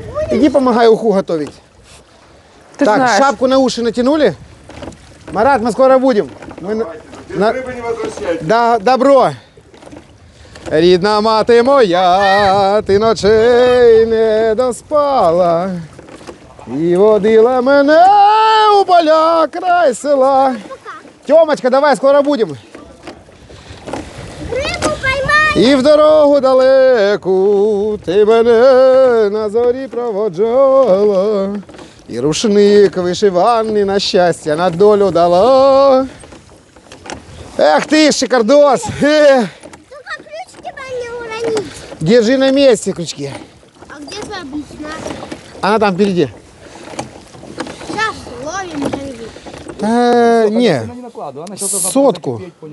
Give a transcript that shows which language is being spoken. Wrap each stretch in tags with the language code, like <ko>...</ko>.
<ru>Иди помогай уху готовить. Ты так, знаешь. Шапку на уши натянули? Марат, мы скоро будем. Мы... На... Без рыбы не возвращайтесь. Да, добро.</ru> <uk>Рідна мати моя, ти ночей не доспала. І водила мене у поля край села.</uk> <ru>Тьомочка, давай, скоро будем. Рибу поймай.</ru> <uk>І в дорогу далеку ти мене на зорі проводжала. І рушник вишиванний на щастя на долю дала.</uk> <ru>Эх ты, шикардос! Только крючки тебя не уронить. Держи на месте крючки. А где же обычно? Она там впереди. Сейчас ловим рыбу. Не. Сотку.</ru>